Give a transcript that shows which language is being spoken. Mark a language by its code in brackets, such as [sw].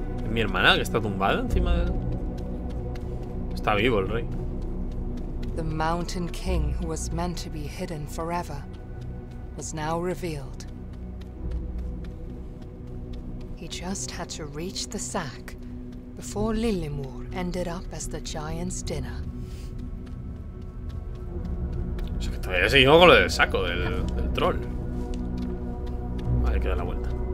[es] Mi hermana que está tumbada encima de él. Está vivo el rey. [en] The mountain king who was meant to be hidden forever was now revealed. He just had to reach the sack before Lilimur ended up as the giant's dinner. [es] O sea que todavía seguimos con lo del saco del troll. Vale, queda la vuelta.